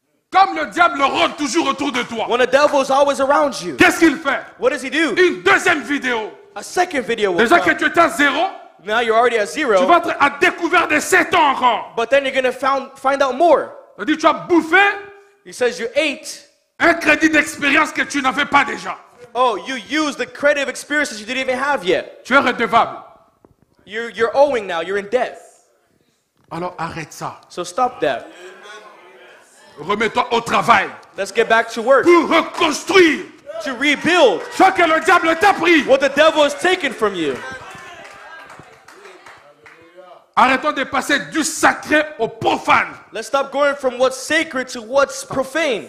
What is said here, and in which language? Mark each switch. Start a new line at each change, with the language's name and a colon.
French: Comme le diable rôde toujours autour de toi.
English: When the devil is always around you.
French: Qu'est-ce qu'il fait?
English: What does he do?
French: Une deuxième vidéo.
English: A second video.
French: Déjà que tu étais à zéro.
English: Now you're already at zero.
French: Tu vas être à découvert de 7 ans encore.
English: But then you're going to find out more.
French: Dit, tu as bouffé.
English: He says you ate.
French: Un crédit d'expérience que tu n'avais pas déjà.
English: Oh, you used the credit of experience that you didn't even have yet.
French: Tu es redevable.
English: You're owing now. You're in debt.
French: Alors arrête ça.
English: So stop that.
French: Remets-toi au travail.
English: Let's get back to work.
French: Pour reconstruire.
English: To rebuild.
French: Ce que le diable t'a pris.
English: What the devil has taken from you.
French: Arrêtons de passer du sacré au profane.
English: Let's stop going from what's sacred to what's profane.